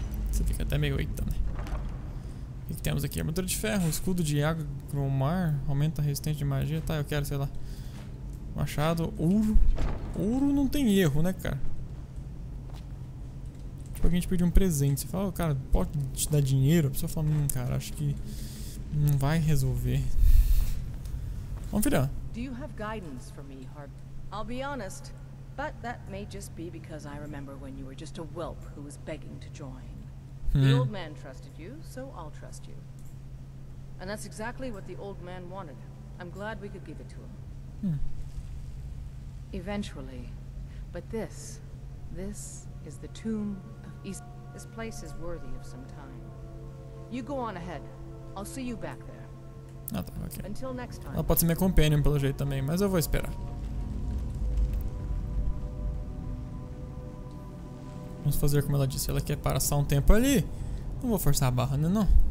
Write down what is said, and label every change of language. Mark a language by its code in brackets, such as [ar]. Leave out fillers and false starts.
[pt] Você fica até meio eita, né? O que, que temos aqui? Armadura de ferro, escudo de água, cromar, aumenta a resistência de magia. Tá, eu quero, sei lá. Machado, ouro. Ouro não tem erro, né, cara? Tipo, a gente pediu um presente. Você fala, oh, cara, pode te dar dinheiro? A pessoa fala, cara, acho que não vai resolver. Vamos virar. [en] Do you have guidance for me, Harp? I'll be honest. But that may just be because I remember when you were just a whelp who was begging to join. The old man trusted you, so I'll trust you. And that's exactly what the old man wanted. I'm glad we could give it to him. Eventually. But this is the tomb of East. This place is worthy of some time. You go on ahead. I'll see you back there. [pt] Ah, tá, okay. [en] Until next time. [pt] Ela pode ser minha companion pelo jeito também, mas eu vou esperar. Vamos fazer como ela disse, ela quer parar só um tempo ali. Não vou forçar a barra, né, não.